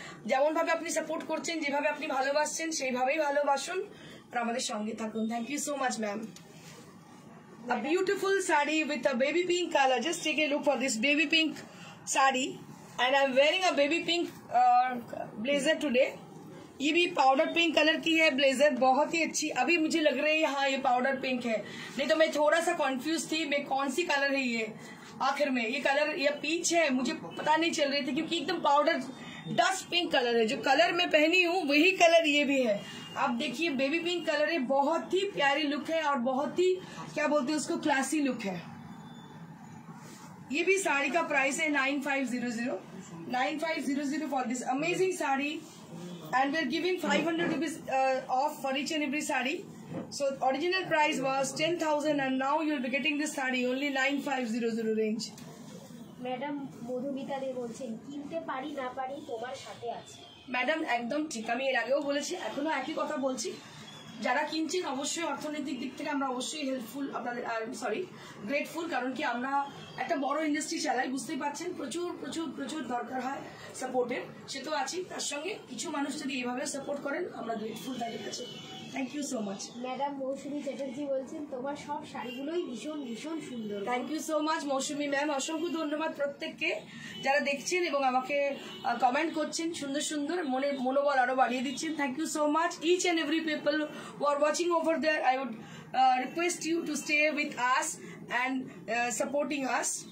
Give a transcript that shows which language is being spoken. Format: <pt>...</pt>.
<bn>যেমনভাবে আপনি সাপোর্ট করছেন, যেভাবে আপনি ভালোবাসছেন সেইভাবেই ভালোবাসুন আর আমাদের সঙ্গে থাকুন।</bn> <en>Thank you so much ma'am. A beautiful sari with a baby pink colour, just take a look for this baby pink sari and I am wearing a baby pink blazer today.</en> <hi>ये भी पाउडर पिंक कलर की है blazer, बहुत ही अच्छी अभी मुझे लग रही है, हाँ ये पाउडर पिंक है, नहीं तो मैं थोड़ा सा कंफ्यूज थी मैं कौन सी कलर है ये आखिर में, ये कलर ये पीच है मुझे पता नहीं चल रही थी क्योंकि एकदम पाउडर डस्ट पिंक कलर है। जो कलर मैं पहनी हूँ वही कलर ये भी है, आप देखिए बेबी पिंक कलर है, बहुत ही प्यारी लुक है और बहुत ही क्या बोलते हैं उसको क्लासी लुक है। ये भी साड़ी का प्राइस है</hi> <en>9500 for this amazing sari and we are giving 500 rupees off for each and every sari. So original price was 10,000 and now you will be getting this sari only 9500 range.</en> <bn>Madam Madhumita de bolchen kinte pari na pari tomar sathe ache. Madam ekdom thik, ami er ageo bolechi ekhono eki kotha bolchi, jara kinchen obosshoi orthonoitik dik theke amra obosshoi helpful apnader sorry grateful karon ki amra ekta boro industry chalai bujhtei pachhen, prochur prochur prochur dorkar hoy সাপোর্টের, সে তো আছি, তার সঙ্গে কিছু মানুষ যদি এইভাবে support করেন আমরা গ্রেটফুল থাকি।</bn> <en>thank you so much</en> <bn>madam মৌসুমি চ্যাটার্জি বলছেন, তোমার সব শাড়িগুলোই ভীষণ ভীষণ সুন্দর।</bn> <en>thank you so much Moushumi ma'am,</en> <bn>অসংখ্য ধন্যবাদ প্রত্যেককে যারা দেখছেন এবং আমাকে কমেন্ট করছেন সুন্দর সুন্দর, মনের মনোবল আরো বাড়িয়ে দিচ্ছেন।</bn> <en>Thank you so much each and every people who are watching over there, I would request you to stay with us and supporting us.</en>